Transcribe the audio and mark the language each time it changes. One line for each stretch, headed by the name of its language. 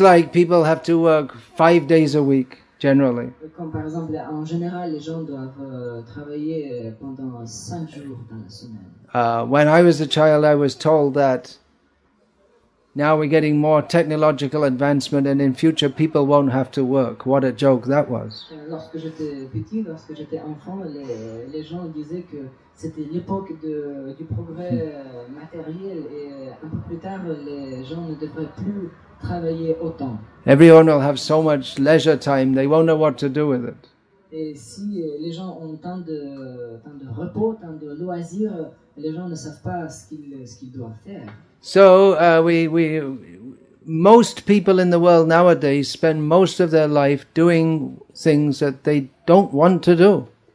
English: like people have to work 5 days a week, generally.
French: Comme par exemple, en général, les gens doivent travailler pendant 5 jours dans la semaine.
English: When I was a child, I was told that now we're getting more technological advancement and in future people won't have to work. What a joke that was.
French: Lorsque j'étais petit, lorsque j'étais enfant, les gens disaient que c'était l'époque du progrès matériel et un peu plus tard, les gens ne devraient plus travailler autant.
English: Everyone will have so much leisure time, they won't know what to do with it.
French: Et si les gens ont tant de repos, tant de loisirs, les gens ne savent pas ce qu'ils doivent faire.
English: So we most people in the world nowadays spend most of their life doing things that they don't want to do.